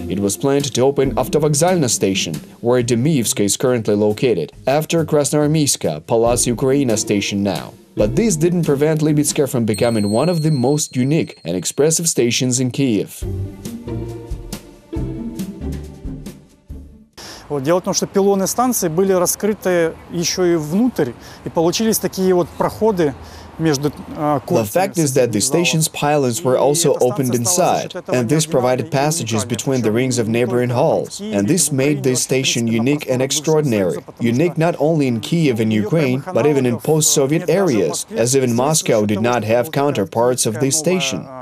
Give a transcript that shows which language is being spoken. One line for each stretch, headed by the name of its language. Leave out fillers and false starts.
English: It was planned to open Avtovokzalna station, where Demiivska is currently located, after Krasnoarmeyska, Palas Ukraina station now. But this didn't prevent Lybidska from becoming one of the most unique and expressive stations in Kyiv.
Russian: Дело в том, что пилоны станции были раскрыты еще и внутрь, и получились такие вот проходы.
English: The fact is that the station's pylons were also opened inside, and this provided passages between the rings of neighboring halls. And this made this station unique and extraordinary. Unique not only in Kyiv and Ukraine, but even in post-Soviet areas, as even Moscow did not have counterparts of this station.